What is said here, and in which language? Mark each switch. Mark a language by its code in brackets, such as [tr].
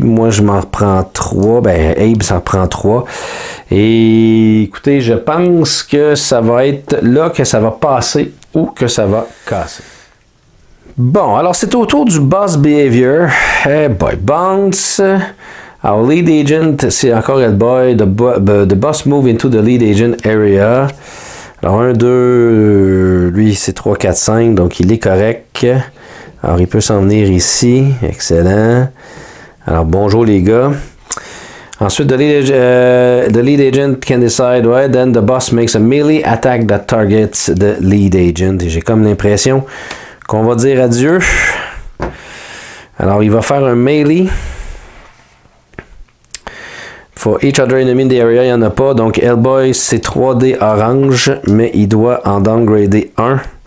[fr] Moi, je m'en reprends 3. Ben, Abe s'en reprend 3. Et écoutez, je pense que ça va être là que ça va passer ou que ça va casser. Bon, alors c'est au tour du Boss Behavior. [en] Hey boy, Bounce. Our lead agent, [fr] c'est encore Hellboy. [en] The boss move into the lead agent area. [fr] Alors, 1, 2, lui, c'est 3, 4, 5, donc il est correct. Alors, il peut s'en venir ici. Excellent. Alors, bonjour les gars. [en] Ensuite, the lead agent can decide, right? Then the boss makes a melee attack that targets the lead agent. [fr] Et j'ai comme l'impression qu'on va dire adieu. Alors, il va faire un melee. [en] For each other enemy in the area, [fr] il n'y en a pas. Donc, Hellboy, c'est 3D orange, mais il doit en downgrader 1.